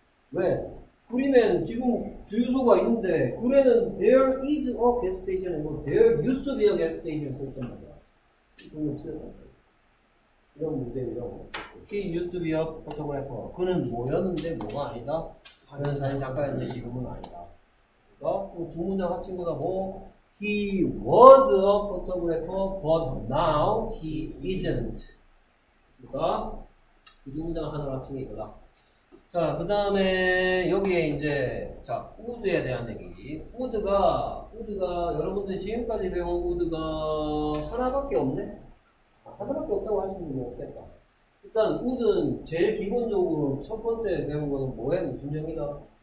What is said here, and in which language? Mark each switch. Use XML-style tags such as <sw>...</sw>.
<ko>왜? 그림엔 지금 주유소가 있는데 글에는</ko> <en>There is a gas station</en> <ko>이고</ko> <en>There used to be a gas station</en> <ko>써있단 말이야. 그건 틀렸다. 이런 문제입니다.</ko> <en>He used to be a photographer.</en> <ko>그는 뭐였는데 뭐가 아니다? 화면 사진 작가였는데 지금은 아니다. 그러니까 두 문장 합친 거다.</ko> <en>뭐 He was a photographer but now he isn't.</en> <ko>그러니까 두 문장을 하나로 합친 게 이거다. 자, 그 다음에, 여기에 이제, 자, 우드에 대한 얘기. 우드가, 여러분들이 지금까지 배운 우드가 하나밖에 없네? 하나밖에 없다고 할 수는 없겠다. 일단, 우드는 제일 기본적으로 첫 번째 배운 거는 뭐에 무슨 형이다?</ko>